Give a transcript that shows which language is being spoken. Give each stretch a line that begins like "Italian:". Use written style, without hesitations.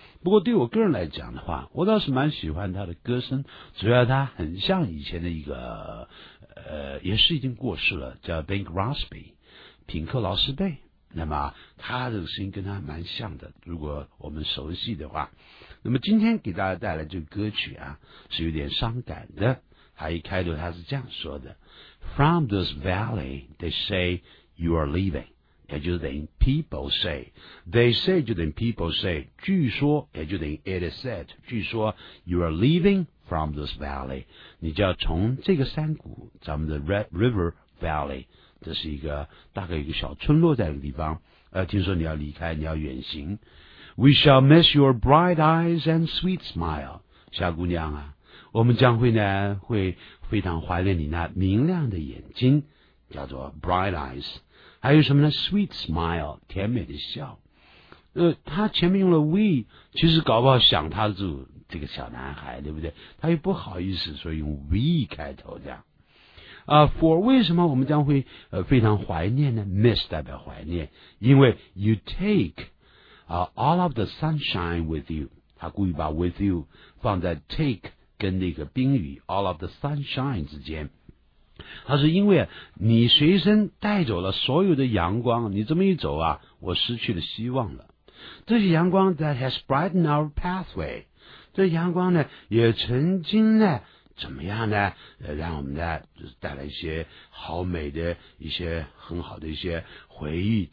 Chinese: 不过对我个人来讲的话，我倒是蛮喜欢他的歌声，主要他很像以前的一个也是已经过世了，叫 Bing Crosby， 品克劳斯贝。那么他的声音跟他蛮像的，如果我们熟悉的话。那么今天给大家带来这个歌曲啊，是有点伤感的。他一开头他是这样说的 ：
English: From this valley, they say you are leaving。
Chinese: 也就等于
English: people say， they say
Chinese: 就等于 people say， 据说也就等于
English: it is said，
Chinese: 据说
English: you are leaving from this valley，
Chinese: 你就要从这个山谷，咱们的 Red River Valley， 这是一个大概一个小村落在的地方，听说你要离开，你要远行。
English: We shall miss your bright eyes and sweet smile，
Chinese: 小姑娘啊，我们将会呢会非常怀念你那明亮的眼睛，叫做 bright eyes。还有什么呢 ？
English: Sweet smile，
Chinese: 甜美的笑。他前面用了 we， 其实搞不好想他住这个小男孩，对不对？他又不好意思说用 we 开头这样。 For 为什么我们将会非常怀念呢 ？Miss 代表怀念，因为
English: you take all of the sunshine with you。
Chinese: 他故意把 with you 放在 take 跟那个宾语
English: all of the sunshine
Chinese: 之间。他说因为你随身带走了所有的阳光，你这么一走啊，我失去了希望了。这些阳光
English: that has brightened our pathway，
Chinese: 这阳光呢也曾经呢怎么样呢，让我们呢就是带来一些好美的一些很好的一些回忆。